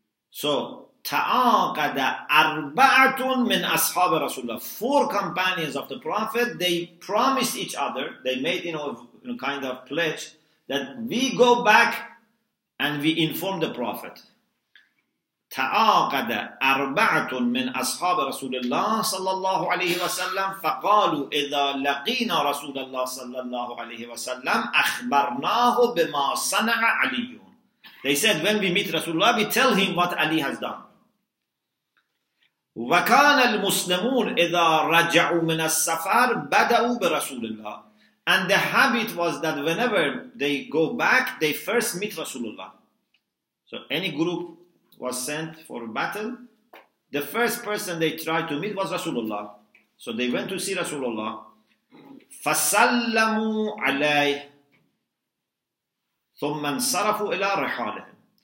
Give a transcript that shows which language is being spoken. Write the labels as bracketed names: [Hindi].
[English] So [Arabic] ta'aqada arba'atun min ashab Rasulullah, [English] four companions of the Prophet, they promised each other, they made a kind of pledge that we go back and we inform the Prophet. [Arabic] تعاقد أربعة من أصحاب رسول الله صلى الله عليه وسلم فقالوا إذا لقينا رسول الله صلى الله عليه وسلم أخبرناه بما صنع علي. [English] They said when we meet Rasulullah, we tell him what Ali has done. [Arabic] وكان المسلمون إذا رجعوا من السفر بدأوا برسول الله. [English] And the habit was that whenever they go back, they first meet Rasulullah. So any group was sent for battle, the first person they tried to meet was Rasulullah. So they went to see Rasulullah. [Arabic] فَسَلَّمُوا عَلَيْهِ ثُمَّ انصَرَفُوا إِلَىٰ رِحَالِهِمْ.